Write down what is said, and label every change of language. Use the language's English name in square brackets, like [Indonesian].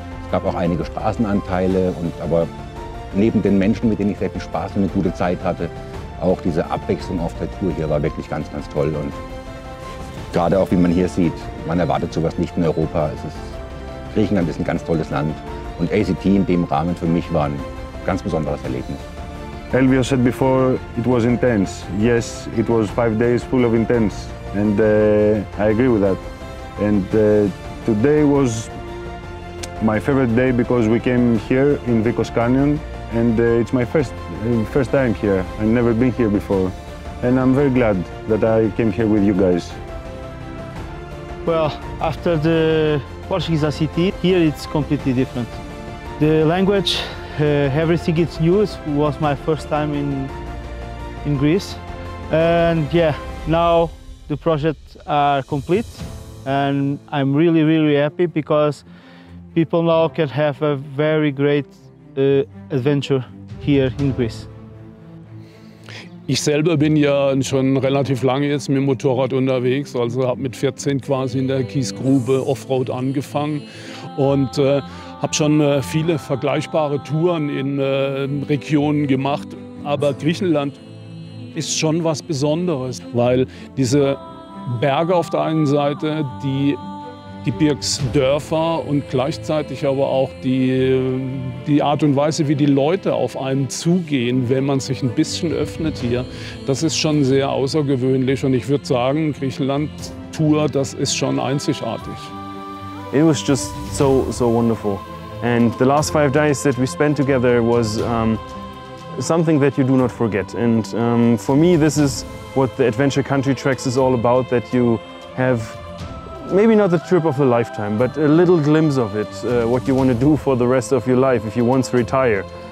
[German] gab auch einige Straßenanteile, aber neben den Menschen, mit denen ich sehr viel Spaß und eine gute Zeit hatte, auch diese Abwechslung auf der Tour hier war wirklich ganz, ganz toll. Und gerade auch, wie man hier sieht, man erwartet sowas nicht in Europa. Griechenland ist ein ganz tolles Land und ACT in dem Rahmen für mich war ein ganz besonderes Erlebnis. [English] Elvio said before it was intense. Yes, it was 5 days full of intense, and I agree with that. And today was my favorite day because we came here in Vicos Canyon, and it's my first time here. I've never been here before, and I'm very glad that I came here with you guys. Well, after the Portuguese ACT, here it's completely different. The language. Everything is new. It was my first time in Greece, and yeah, now the projects are complete, and I'm really, really happy because people now can have a very great adventure here in Greece. [German] Ich selber bin ja schon relativ lange jetzt mit dem Motorrad unterwegs, also habe mit 14 quasi in der Kiesgrube Offroad angefangen und habe schon viele vergleichbare Touren in Regionen gemacht, aber Griechenland ist schon was Besonderes, weil diese Berge auf der einen Seite, die Gebirgsdörfer und gleichzeitig aber auch die Art und Weise, wie die Leute auf einem zugehen, wenn man sich ein bisschen öffnet hier, das ist schon sehr außergewöhnlich und ich würde sagen, Griechenland-Tour, das ist schon einzigartig. [English] It was just so, so wonderful. And the last 5 days that we spent together was something that you do not forget. And for me, this is what the Adventure Country Treks is all about, that you have maybe not the trip of a lifetime, but a little glimpse of it, what you want to do for the rest of your life if you want to retire.